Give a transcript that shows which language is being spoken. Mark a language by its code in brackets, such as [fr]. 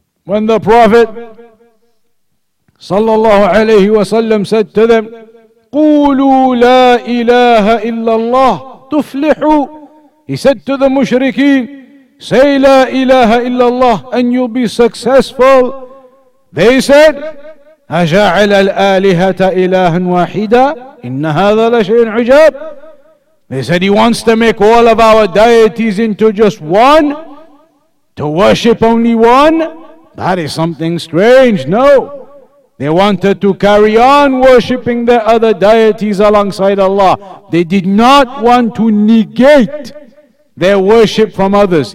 [en] When the Prophet sallallahu alayhi wa sallam said to them, [ar] قولوا لا إله إلا الله تفلحوا. [en] He said to the mushrikeen, say la ilaha illa Allah and you'll be successful. They said, [ar] أجعل الآلهة إلها واحدة إن هذا لشيء عجاب. [en] They said, he wants to make all of our deities into just one, to worship only one. That is something strange. No, they wanted to carry on worshipping their other deities alongside Allah. They did not want to negate their worship from others.